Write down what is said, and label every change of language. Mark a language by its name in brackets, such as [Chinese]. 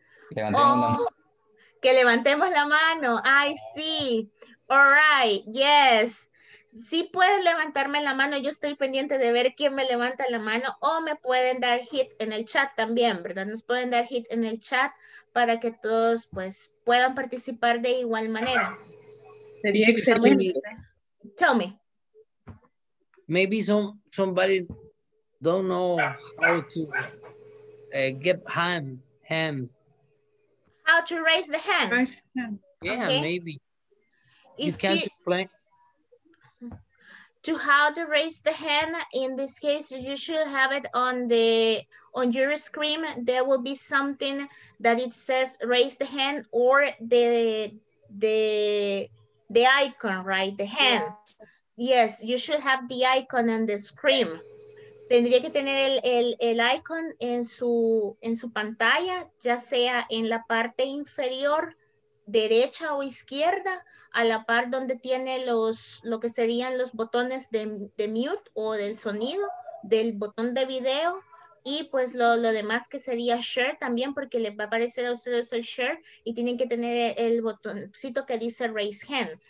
[Spanish] levantemos la mano. Que levantemos la mano. Ay, sí. [English] All right. Yes. [Spanish] Sí puedes levantarme la mano. Yo estoy pendiente de ver quién me levanta la mano. O me pueden dar hit en el chat también, ¿verdad? Nos pueden dar hit en el chat para que todos pues puedan participar de igual manera. Sería [English] tell me. Maybe somebody don't know how to get hands. How to raise the hand? Yeah, okay. Maybe. If you can't explain. To how to raise the hand, in this case, you should have it on the on your screen. There will be something that it says raise the hand or the icon, right? The hand. Yeah. Yes, you should have the icon on the screen. [Spanish] Tendría que tener el icon en su pantalla, ya sea en la parte inferior, derecha o izquierda, a la par donde tiene los lo que serían los botones de mute o del sonido, del botón de video, y pues lo demás que sería share también, porque les va a aparecer a ustedes el share, y tienen que tener el botoncito que dice raise hand.